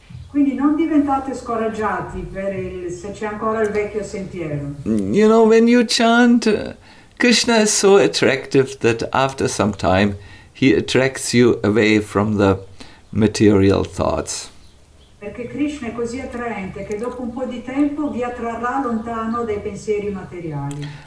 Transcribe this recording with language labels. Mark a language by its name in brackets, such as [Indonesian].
[Italian] Quindi non diventate scoraggiati per se c'è ancora il vecchio sentiero. [English] You know, when you chant, Krishna is so attractive that after some time he attracts you away from the material thoughts. [Italian] Perché Krishna è così attraente che dopo un po' di tempo vi attrarrà lontano dai pensieri materiali.